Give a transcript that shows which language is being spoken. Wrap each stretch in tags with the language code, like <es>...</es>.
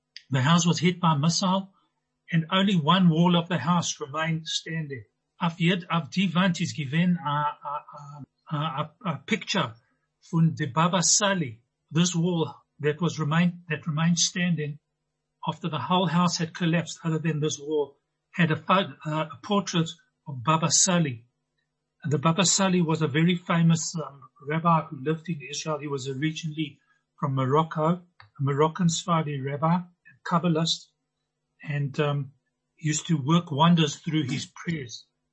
<en>The house was hit by a missile, and only one wall of the house remained standing.</en> <yi>Auf jed auf die Wand ist gewesen a</yi> <en>picture</en> <yi>von der Baba Sally.</yi> <en>This wall that remained standing after the whole house had collapsed, other than this wall, had a portrait of Baba Sally. And the Baba Sally was a very famous rabbi who lived in Israel. He was originally from Morocco, a Moroccan Sfardi rabbi, a Kabbalist, and used to work wonders through his prayers.</en>